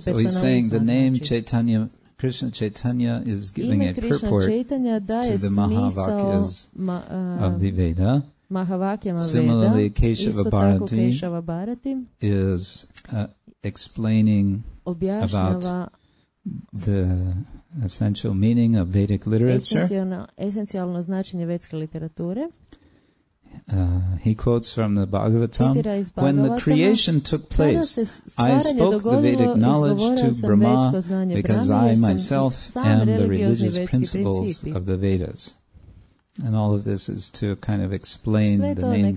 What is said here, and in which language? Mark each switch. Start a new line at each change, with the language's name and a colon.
English: so he's saying the name Chaitanya, Krishna Chaitanya is giving a purport to the Mahavakyas of the Veda. Similarly, Keshava Bharati is explaining about the essential meaning of Vedic literature.
Croatian: Esencijalno značenje vedske literature.
English: He quotes from the Bhagavatam, when the creation took place, I spoke the Vedic knowledge to Brahma because I myself am the religious principles of the Vedas. And all of this is to kind of explain the name